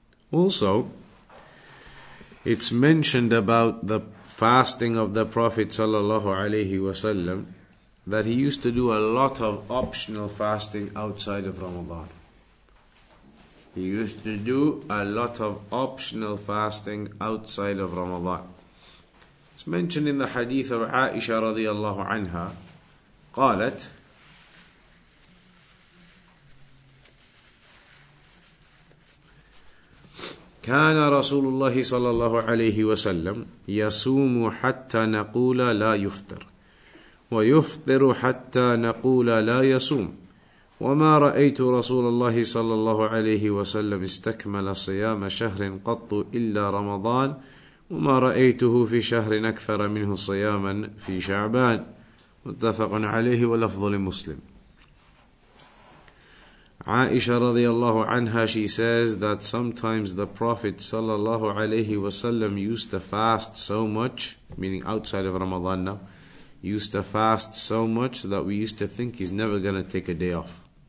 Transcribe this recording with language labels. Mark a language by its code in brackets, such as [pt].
[en] Also, it's mentioned about the fasting of the Prophet sallallahu alaihi wasallam that he used to do a lot of optional fasting outside of Ramadan. He used to do a lot of optional fasting outside of Ramadan. It's mentioned in the hadith of Aisha radiallahu anha, qalat, [ar] كان رسول الله صلى الله عليه وسلم يصوم حتى نقول لا يفطر ويفطر حتى نقول لا يصوم وما رأيت رسول الله صلى الله عليه وسلم استكمل صيام شهر قط إلا رمضان وما رأيته في شهر أكثر منه صياما في شعبان متفق عليه ولفظ لمسلم. [en] Aisha radiallahu anha, she says that sometimes the Prophet sallallahu alayhi wasallam used to fast so much, meaning outside of Ramadan now, used to fast so much that we used to think he's never going to take a day off.